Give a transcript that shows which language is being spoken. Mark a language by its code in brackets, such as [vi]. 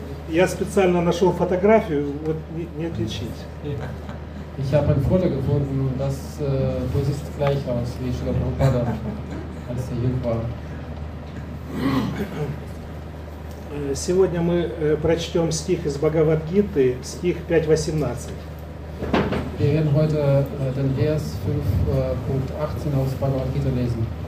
[ru] Я специально нашел фотографию, вот не отличить. [de] Ich habe ein Foto gefunden, das sieht gleich aus wie Shri Prabhupada, als er jung war. [ru] Сегодня мы прочтем стих из Бхагавад-гиты, стих 5.18. [de] Wir werden heute den Vers 5.18 aus Bhagavad-gita lesen.